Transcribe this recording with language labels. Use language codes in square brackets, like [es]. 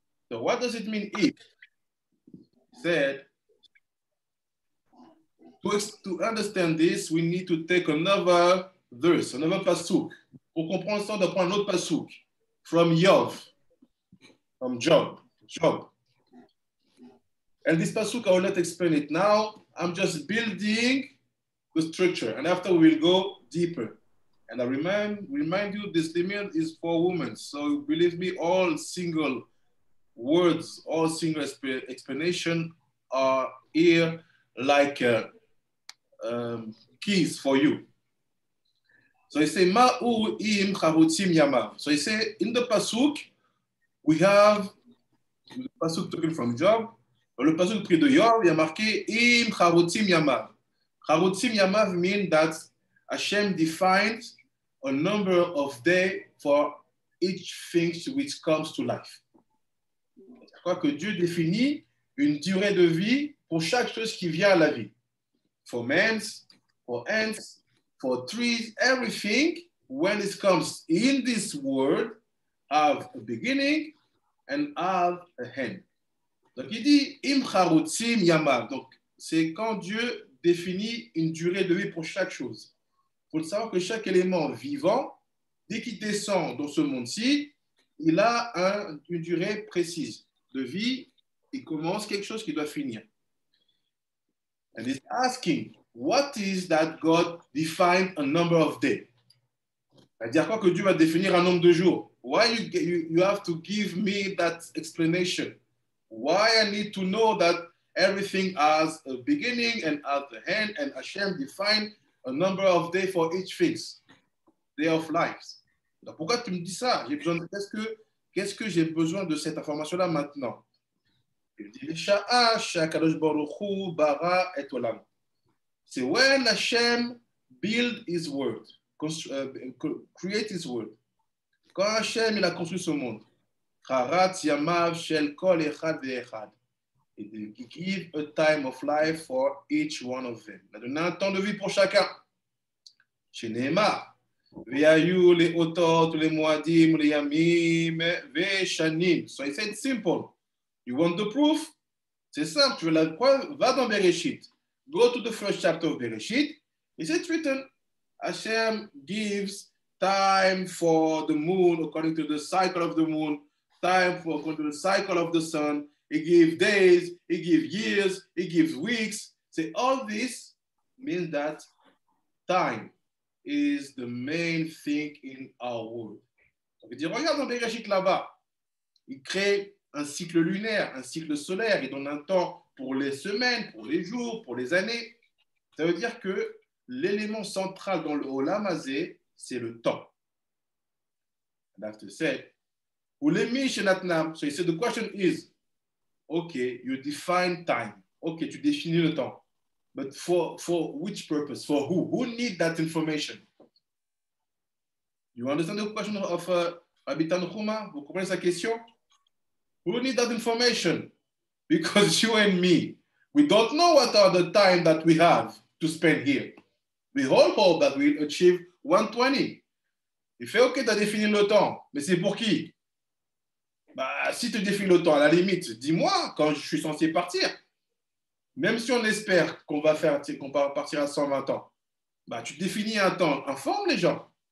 [en] So what does it mean if? Said, to understand this, we need to take another verse, another pasuk. [fr] Pour comprendre ça, on doit prendre un autre pasuk. [en] From Yov. From Job. Job. And this pasuk, I will not explain it now. I'm just building the structure. And after, we will go deeper. And I remind you, this limit is for women. So believe me, all single words, all single explanation are here like keys for you. So he say, Ma'u im charutim yamav. So he say, in the pasuk, we have the pasuk taken from Job. [fr] Le pasuk pris de Yor, il y a marqué im charutim yamav. [en] Charutim yamav mean that Hashem defined a number of days for each thing which comes to life. [fr] Je crois que Dieu définit une durée de vie pour chaque chose qui vient à la vie. [en] For men, for ants, for trees, everything, when it comes in this world, have a beginning and have a end. [fr] Donc il dit, Im charutim yamav. Donc c'est quand Dieu définit une durée de vie pour chaque chose. Il faut savoir que chaque élément vivant, dès qu'il descend dans ce monde-ci, il a une durée précise de vie. Il commence quelque chose qui doit finir. [en] And it's asking, what is that God defined a number of days? [fr] C'est-à-dire quoi que Dieu va définir un nombre de jours? [en] Why you have to give me that explanation? Why I need to know that everything has a beginning and has an end and Hashem defined a number of days for each things, day of lives. [fr] Donc pourquoi tu me dis ça? J'ai besoin de... Qu'est-ce que j'ai besoin de cette information-là maintenant? Il dit, Bara c'est [en] when Hashem build his world, create his world. [fr] Quand Hashem il a construit ce monde, Kharat Il dit, [en] give a time of life for each one of them. [fr] Il a donné un temps de vie pour chacun. Chez Nehemiah. Viayu les otot, tous les moadim, les yamim, veshanim. [en] So it's simple. You want the proof? [fr] C'est simple, tu veux la preuve? Va dans Bereshit. [en] Go to the first chapter of Bereshit. Is it written? Hashem gives time for the moon according to the cycle of the moon, time for according to the cycle of the sun. He gives days, he gives years, he gives weeks. So all this means that time is the main thing in our world. [fr] Ça veut dire, regarde dans Bereshit là-bas. Il crée un cycle lunaire, un cycle solaire. Il donne un temps pour les semaines, pour les jours, pour les années. Ça veut dire que l'élément central dans le Olam Hazeh, c'est le temps. L'acte 7. Ou les Mishenatnam. [en] So he said, the question is, OK, you define time. [fr] OK, tu définis le temps. [en] But for which purpose? For who? Who need that information? You understand the question of Rabbi Tanhuma? [fr] Vous comprenez sa question? [en] Who need that information? Because you and me, we don't know what are the time that we have to spend here. We all hope that we'll achieve 120. [fr] Il fait OK, tu as défini le temps, mais c'est pour qui? Bah, si tu définis le temps, à la limite, dis-moi quand je suis censé partir. Même si on espère qu'on va faire, qu'on va partir à 120 ans, bah, tu définis un temps, informe les gens.